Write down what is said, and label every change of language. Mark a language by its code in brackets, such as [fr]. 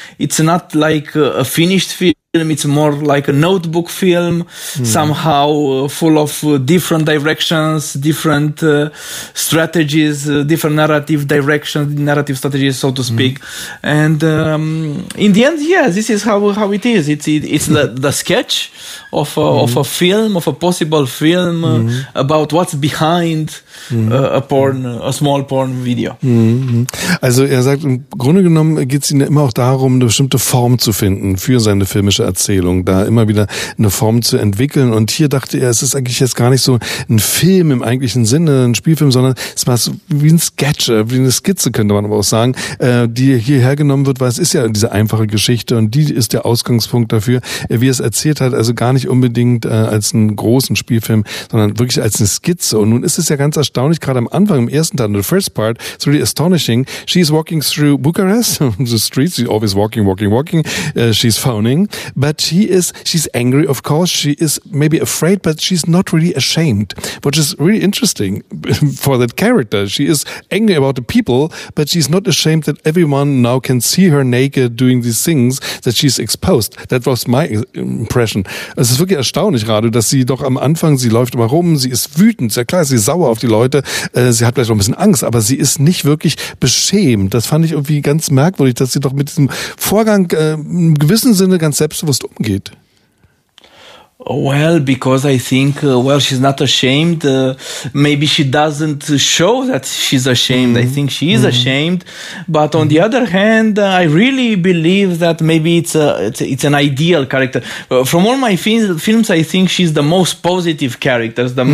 [en] It's not like a finished film. It's more like a notebook film, somehow full of different directions, different strategies, different narrative directions, narrative strategies, so to speak. Mm. And in the end, yeah, this is how it is. It's the sketch of a possible film about what's behind a small porn video. Mm-hmm. [de] Also er sagt, im Grunde genommen geht es ihm immer auch darum, eine bestimmte Form zu finden für seine filmische Erzählung, da immer wieder eine Form zu entwickeln. Und hier dachte er, es ist eigentlich jetzt gar nicht so ein Film im eigentlichen Sinne, ein Spielfilm, sondern es war so wie ein Sketch, wie eine Skizze, könnte man aber auch sagen, die hierher genommen wird, weil es ist ja diese einfache Geschichte und die ist der Ausgangspunkt dafür, wie er es erzählt hat, also gar nicht unbedingt als einen großen Spielfilm, sondern wirklich als eine Skizze. Und nun ist es ja ganz erstaunlich, gerade am Anfang, im ersten Teil, [en] the first part, it's really astonishing. She's walking through Bucharest, the streets, she's always walking, she's phoning, but she's angry, of course, she is maybe afraid, but she's not really ashamed, which is really interesting for that character. She is angry about the people, but she's not ashamed that everyone now can see her naked doing these things, that she's exposed. That was my impression. [de] Es ist wirklich erstaunlich gerade, dass sie doch am Anfang, sie läuft immer rum, sie ist wütend, sehr klar, sie ist sauer auf die Leute, sie hat vielleicht noch ein bisschen Angst, aber sie ist nicht wirklich beschämt. Das fand ich irgendwie ganz merkwürdig, dass sie doch mit diesem Vorgang im gewissen Sinne ganz selbstbewusst umgeht. [en] Well, because I think, well, she's not ashamed. Maybe she doesn't show that she's ashamed. Mm-hmm. I think she is mm-hmm. ashamed. But on mm-hmm. the other hand, I really believe that maybe it's an ideal character. From all my films, I think she's the most positive character, the mm-hmm.